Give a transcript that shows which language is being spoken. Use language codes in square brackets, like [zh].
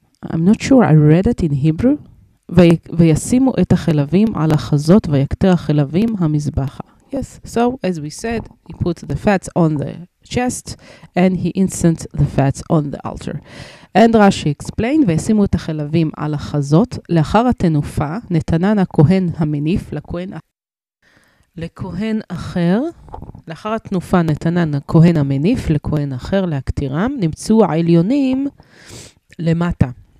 [en] I'm not sure I read it in Hebrew. [he] וישימו את החלבים על החזות ויקטר החלבים המזבחה. [en] Yes, so as we said, he puts the fats on the chest and he incensed the fats on the altar. And Rashi explained, [he] וישימו את החלבים על החזות לאחר התנופה נתנן הכהן המניף לכהן אחר, לאחר התנופה נתנן הכהן המניף לכהן אחר להקטירם, נמצאו העליונים למטה.